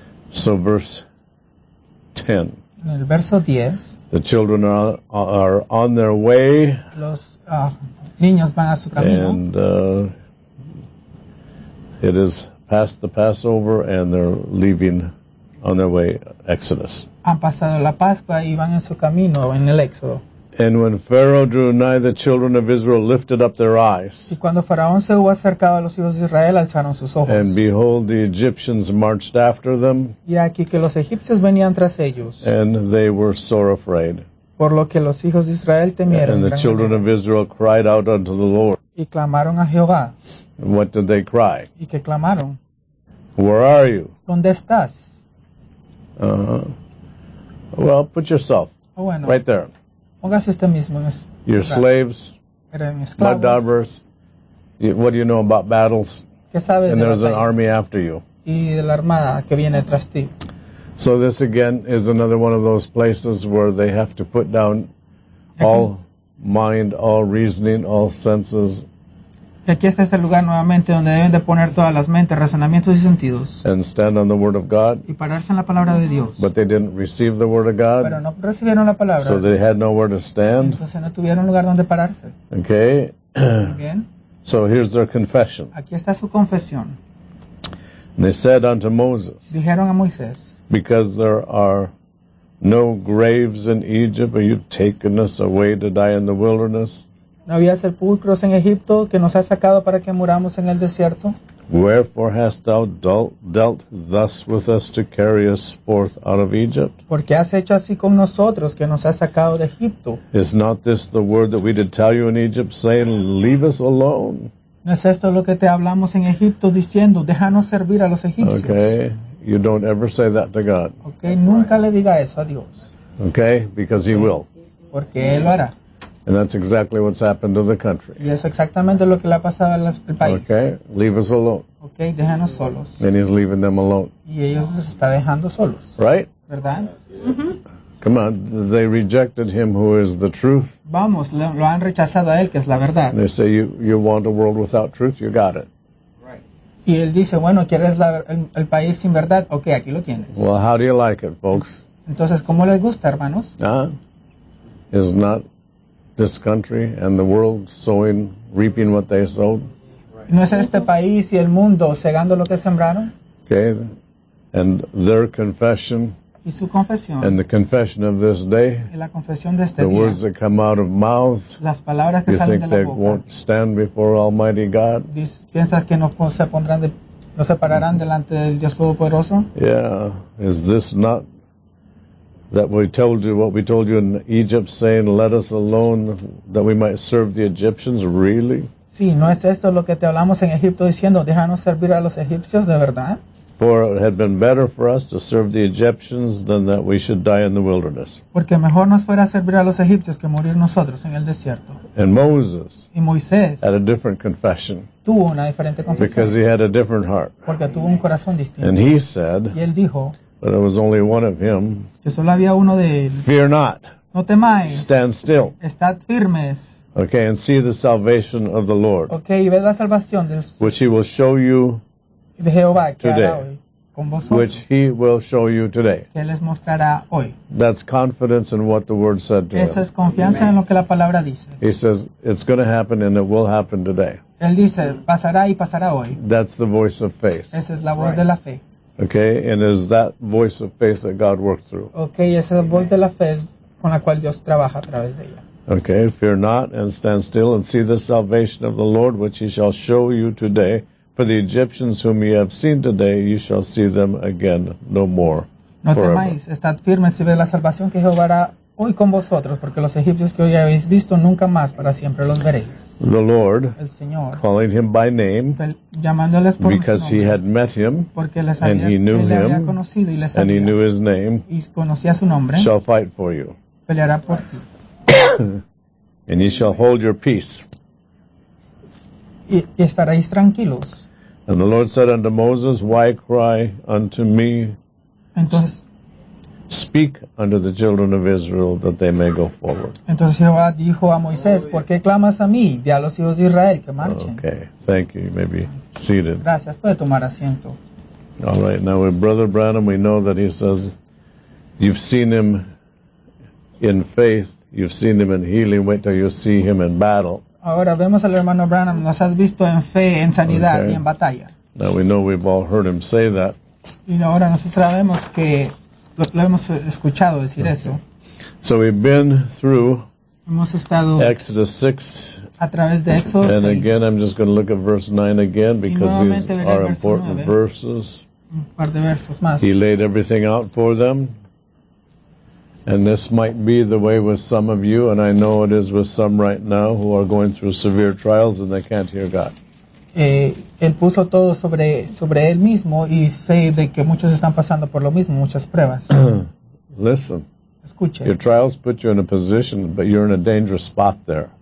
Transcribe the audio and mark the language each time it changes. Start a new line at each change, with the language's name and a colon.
English: So verse 10.
Spanish: En el verso 10,
English: the children are on their way.
Spanish: Los niños van a su camino.
English: And it is past the Passover, and they're leaving on their way, Exodus.
Spanish: Han pasado la Pascua y van en su camino en el Éxodo.
English: And when Pharaoh drew nigh, the children of Israel lifted up their eyes.
Spanish: Y cuando Faraón se hubo acercado a los hijos de Israel, alzaron sus ojos.
English: And behold, the Egyptians marched after them.
Spanish: Y aquí que los egipcios venían tras ellos.
English: And they were sore afraid.
Spanish: Por lo que los hijos de Israel temieron.
English: And the children of Israel cried out unto the Lord.
Spanish: Y clamaron a Jehová.
English: And what did they cry?
Spanish: Y que clamaron.
English: Where are you?
Spanish: ¿Dónde estás?
English: Well, put yourself right there.
Spanish: Póngase usted mismo.
English: Your slaves, mud daubers. What do you know about battles?
Spanish: ¿Qué sabe
English: and
Spanish: de
English: there's
Spanish: la
English: an army after you.
Spanish: Y de la armada que viene tras ti.
English: So this again is another one of those places where they have to put down all mind, all reasoning, all senses.
Spanish: Y aquí está este lugar nuevamente donde deben de poner todas las mentes, razonamientos y sentidos.
English: And stand on the word of God.
Spanish: Y pararse en la palabra de Dios.
English: But they didn't receive the word of God.
Spanish: Pero no recibieron la palabra.
English: So they had nowhere to stand.
Spanish: Entonces no tuvieron lugar donde pararse.
English: Okay.
Spanish: Bien.
English: So here's their confession.
Spanish: Aquí está su confesión.
English: And they said unto Moses.
Spanish: Dijeron a Moisés.
English: Because there are no graves in Egypt, are you taking us away to die in the wilderness?
Spanish: No había sepulcros en Egipto que nos ha sacado para que muramos en el desierto.
English: Wherefore hast thou dealt thus with us to carry us forth out of Egypt?
Spanish: Porque has hecho así con nosotros que nos has sacado de Egipto.
English: Is not this the word that we did tell you in Egypt, saying, leave us alone?
Spanish: ¿No es esto lo que te hablamos en Egipto diciendo, déjanos servir a los egipcios?
English: Okay, you don't ever say that to God.
Spanish: Okay, nunca le diga eso a Dios.
English: Okay, because he will.
Spanish: Porque él lo hará.
English: And that's exactly what's happened to the country.
Spanish: Y es exactamente lo que le ha pasado al país.
English: Okay, leave us alone.
Spanish: Okay, déjanos solos.
English: And he's leaving them alone.
Spanish: Y ellos se está dejando solos.
English: Right?
Spanish: ¿Verdad? Mm-hmm.
English: Come on, they rejected him who is the truth.
Spanish: Vamos, lo han rechazado a él, que es la verdad.
English: And they say, you want a world without truth, you got it. Right.
Spanish: Y él dice, bueno, ¿quieres el país sin verdad? Okay, aquí lo tienes.
English: Well, how do you like it, folks?
Spanish: Entonces, ¿cómo les gusta, hermanos?
English: Is not this country and the world sowing, reaping what they sowed.
Spanish: ¿No es este país y el mundo segando lo que sembraron?
English: Okay, and their confession.
Spanish: ¿Y su confesión?
English: And the confession of this day.
Spanish: ¿Y la confesión de este
English: the
Spanish: día?
English: Words that come out of mouths.
Spanish: Las palabras que
English: you
Spanish: salen
English: think
Spanish: de
English: they
Spanish: la boca.
English: Won't stand before Almighty God?
Spanish: ¿Piensas que no se pararán delante del Dios Todopoderoso?
English: Yeah, is this not that we told you what we told you in Egypt, saying, let us alone that we might serve the Egyptians, really?
Spanish: Sí, ¿no es esto lo que te hablamos en Egipto diciendo, déjanos servir a los egipcios de verdad?
English: For it had been better for us to serve the Egyptians than that we should die in the wilderness.
Spanish: Porque mejor nos fuera servir a los egipcios que morir nosotros en el desierto.
English: And Moses.
Spanish: Y Moisés.
English: Had a different confession.
Spanish: Tuvo una diferente confesión.
English: Because he had a different heart.
Spanish: Porque tuvo un corazón distinto.
English: And he said.
Spanish: Y él dijo.
English: But there was only one of him.
Spanish: Que solo había uno de él.
English: Fear not.
Spanish: No temáis.
English: Stand still.
Spanish: Estad firmes.
English: Okay, and see the salvation of the Lord.
Spanish: Okay, y ve la salvación del.
English: Which he will show you.
Spanish: De Jehová,
English: today,
Spanish: hoy,
English: which he will show you today.
Spanish: Que les mostrará hoy.
English: That's confidence in what the word said to
Spanish: Esa es confianza
English: him.
Spanish: En lo que la palabra dice.
English: He says, it's going to happen and it will happen today.
Spanish: Él dice, pasará y pasará hoy.
English: That's the voice of faith.
Spanish: Esa es la voz
English: right.
Spanish: de la fe.
English: Okay, and is that voice of faith that God works through.
Spanish: Okay, esa es la voz de la fe con la cual Dios trabaja a través de ella.
English: Okay, fear not and stand still and see the salvation of the Lord which he shall show you today. For the Egyptians whom ye have seen today, you shall see them again no more.
Spanish: No temáis, estad firmes y ved la salvación que Jehová hará hoy con vosotros, porque los egipcios que hoy habéis visto nunca más para siempre los veréis.
English: The Lord,
Spanish: el Señor,
English: calling him by name,
Spanish: llamándoles por
English: because
Spanish: nombre,
English: he had met him,
Spanish: porque les había,
English: and he knew
Spanish: él
English: him,
Spanish: había conocido y les
English: and
Spanish: había,
English: he knew his name,
Spanish: y conocía su nombre,
English: shall fight for you.
Spanish: Peleará por ti.
English: And ye shall hold your peace.
Spanish: Y estaréis tranquilos.
English: And the Lord said unto Moses, Why cry unto me?
Spanish: Entonces,
English: Speak unto the children of Israel that they may go forward.
Spanish: Entonces Jehová dijo a Moisés, ¿Por qué clamas a mí? Di a los hijos de Israel que marchen.
English: Okay, thank you. You may be seated.
Spanish: Gracias, puede tomar asiento.
English: All right, now with Brother Branham, we know that he says, You've seen him in faith, you've seen him in healing, wait till you see him in battle.
Spanish: Ahora vemos al hermano Branham, nos has visto en fe, en sanidad okay. y en batalla.
English: Now we know we've all heard him say that.
Spanish: Y ahora nosotros sabemos que lo hemos escuchado decir okay. eso.
English: So we've been through
Spanish: hemos estado
English: Exodus 6.
Spanish: A través de Exodus 6.
English: And again, I'm just going to look at verse 9 again because these are important verses.
Spanish: Un par de versos más.
English: He laid everything out for them. And this might be the way with some of you, and I know it is with some right now who are going through severe trials and they can't hear God.
Spanish: Él puso todo sobre él mismo y sé de que muchos están pasando por lo mismo, muchas pruebas.
English: Listen.
Spanish: Escuche.
English: Your trials put you in a position, but you're in a dangerous spot there.